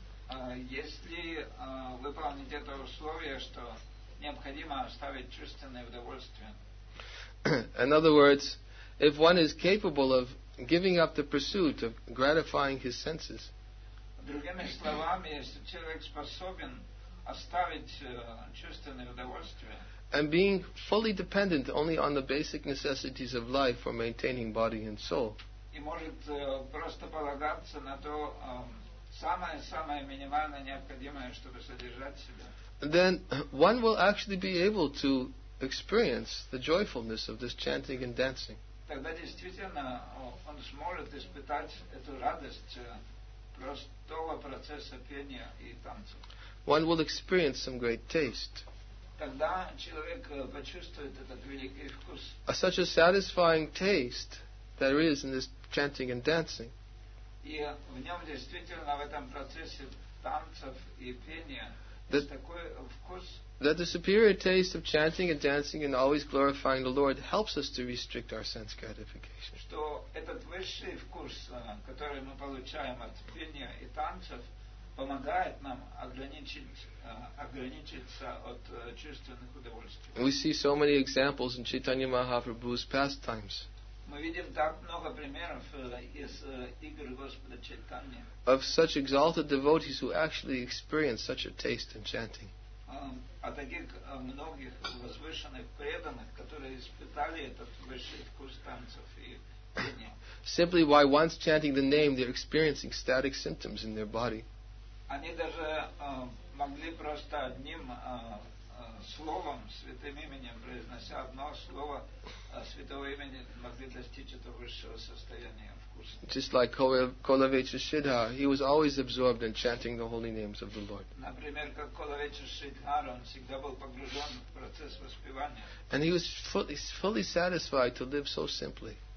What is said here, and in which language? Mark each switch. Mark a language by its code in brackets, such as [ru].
[ru] Если выполнить это условие, что необходимо оставить чувственное удовольствие. [en] In other words, if one is capable of giving up the pursuit of gratifying his senses. [ru] Другими словами, если человек способен оставить чувственное удовольствие. [en] And being fully dependent only on the basic necessities of life for maintaining body and soul. [ru] И может просто полагаться на то самое-самое минимально необходимое, чтобы содержать себя. [en] Then one will actually be able to experience the joyfulness of this chanting and dancing. [ru] Тогда действительно он сможет испытать эту радость простого процесса пения и танца. [en] One will experience some great taste. [ru] Тогда человек почувствует этот великий вкус. [en] Such a satisfying taste there is in this chanting and dancing. [ru] И в нем действительно в этом процессе танцев и пения есть такой вкус. [en] That the superior taste of chanting and dancing and always glorifying the Lord helps us to restrict our sense gratification. [ru] Что этот высший вкус, который мы получаем от пения и танцев, помогает нам ограничиться от чувственных удовольствий. [en] We see so many examples in Chaitanya Mahaprabhu's pastimes. [ru] Мы видим так много примеров из игр Господа Чайтаньи. [en] Of such exalted devotees who actually experience such a taste in chanting. [ru] А таких многих возвышенных преданных, которые испытали этот высший вкус танцев и пения. [en] Simply by once chanting the name, they're experiencing static symptoms in their body. [ru] Они даже могли просто одним словом, святым именем, произнося одно слово святого имени, могли достичь этого высшего состояния вкуса. [en] Just like Kolavecha Sridhar, he was always absorbed in chanting the holy names of the Lord. [ru] Например, как Kolavecha Sridhar, он всегда был погружен в процесс воспевания. [en] And he was fully satisfied to live so simply.